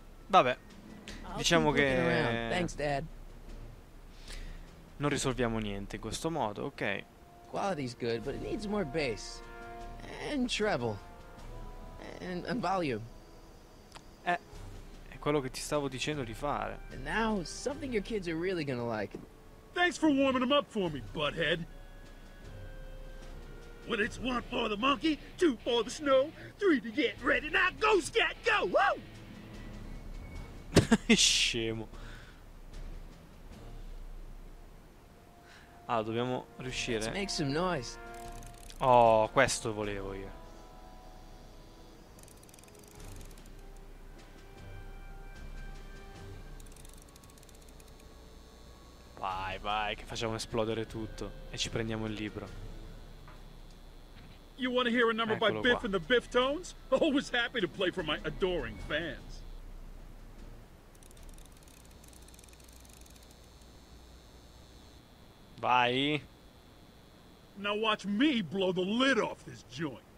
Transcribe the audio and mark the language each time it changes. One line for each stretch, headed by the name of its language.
Italian: Vabbè, diciamo che
English: thanks, Dad.
Italian: Non risolviamo niente in questo modo, ok?
English: Quality's good, but it needs more bass and treble and volume.
Italian: È quello che ti stavo dicendo di fare.
English: And now something your kids are really gonna like. Thanks for warming them up for me, butthead. Well, it's one for the monkey, two for the snow, three to get ready, now go, scat, go, woo!
Italian: Scemo. Ah, dobbiamo riuscire.
English: Let's make some noise.
Italian: Oh, questo volevo io. Vai, vai, che facciamo esplodere tutto e ci prendiamo il libro.
English: You want to hear a number by Biff and the Bifftones? Always happy to play for my adoring fans. Bye. Now watch me blow the lid off this joint.